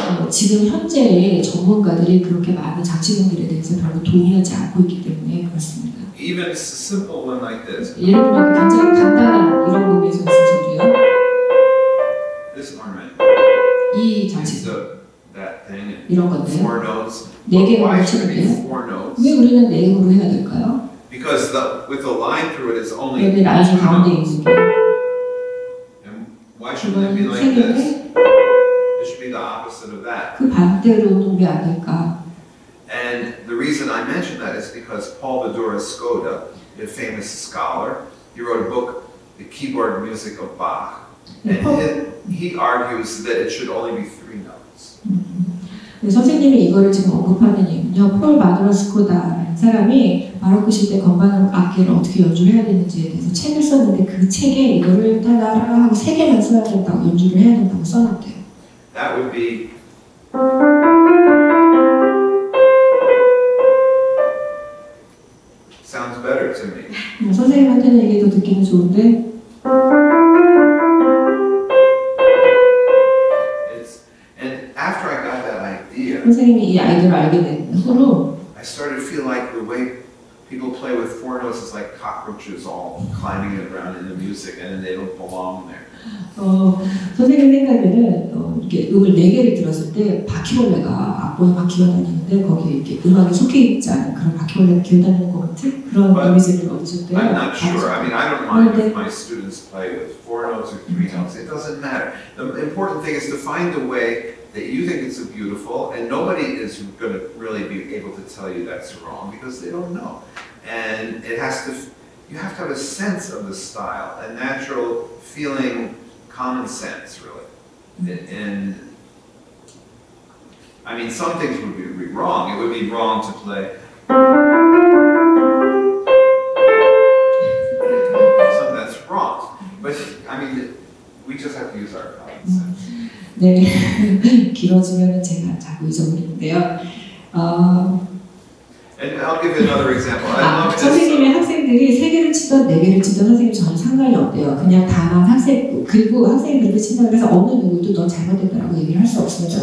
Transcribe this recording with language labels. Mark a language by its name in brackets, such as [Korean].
[Korean] 지금 현재 전문가들이 그렇게 많은 장식음들에 대해서 별로 동의하지 않고 있기 때문에 그렇습니다. [English] Even a simple one like this. [Korean] 예를 들어 굉장히 간단한 이런 곡에서 있었는데요. [English] This ornament. [Korean] 이 장식음. [English] That thing. [Korean] 이런 건데요. [English] Four notes. [Korean] 네 개가 붙여져요. 왜 우리는 네 음으로 해야 될까요? [English] Because the with a line through it is only. [Korean] 여기 라인 가운데 있는 게. [English] Why should it be like this? The opposite of that. And the reason I mention that is because Paul Badura Skoda, a famous scholar, he wrote a book, The Keyboard Music of Bach, and he argues that it should only be three notes. [Korean] 네, 선생님이 이거를 지금 언급하는 이유는요, 폴 바두라 스코다라는 사람이 바로크 시대 건반 악기를 어떻게 연주를 해야 되는지에 대해서 책을 썼는데 그 책에 이거를 따라 하고 세 개만 써야 된다고 연주를 해야 된다고 써놨대요. [English] That would be. Sounds better to me. [Korean] 선생님한테는 이게 더 느낌이 좋은데. [English] It's and after I got that idea. [Korean] 선생님이 이 아이디어를 알게 된 후로. [English] I started to feel like the way people play with four notes is like cockroaches all climbing around in the music, and they don't belong there. [Korean] 선생님 생각에는 이렇게 음을 네 개를 들었을 때 바퀴벌레가 악보에 바퀴벌레인데 거기에 이렇게 음악에 속해 있지 않은 그런 바퀴벌레가 기어다니는 것 같은 그런 이미지를 얻으실 때 [English] I'm not sure. I mean, I don't mind if my students play with four notes or three notes. It doesn't matter. The important thing is to find a way that you think it's beautiful, and nobody is going to really be able to tell you that's wrong because they don't know. And it has to, you have to have a sense of the style, a natural feeling. Common sense, really. And I mean, some things would be wrong. It would be wrong to play something that's wrong. But I mean, we just have to use our common sense. [Korean] 네, 길어지면은 제가 자꾸 잊어버리는데요. [English] And I'll give another example. I love this. [Korean] 선생님의 학생들이 세 개를 치던 네 개를 치던 선생님 전혀 상관이 없대요. 그냥 다만 학생 그리고 학생들도 친다. 그래서 어느 누구도 너 잘못했다라고 얘기를 할 수 없습니다.